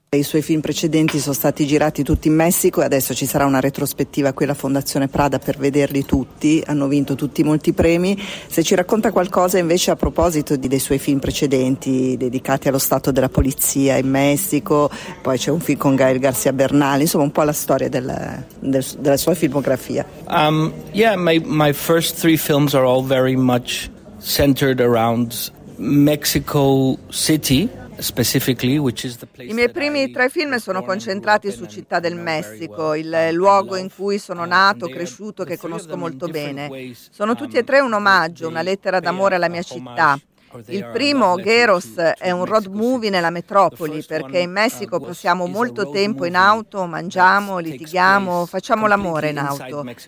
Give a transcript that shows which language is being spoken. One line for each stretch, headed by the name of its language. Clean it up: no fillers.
Italian: I suoi film precedenti sono stati girati tutti in Messico e adesso ci sarà una retrospettiva qui alla Fondazione Prada per vederli tutti, hanno vinto tutti molti premi. Se ci racconta qualcosa invece a proposito dei suoi film precedenti dedicati allo stato della polizia in Messico, poi c'è un film con Gael García Bernal, insomma un po' la storia della sua filmografia.
English: My first three films are all very much centered around Mexico City.
Italian: I miei primi tre film sono concentrati su Città del Messico, il luogo in cui sono nato, cresciuto, che conosco molto bene. Sono tutti e tre un omaggio, una lettera d'amore alla mia città. Il primo, Gueros, è un road movie nella metropoli, perché in Messico passiamo molto tempo in auto, mangiamo, litighiamo, facciamo l'amore in auto.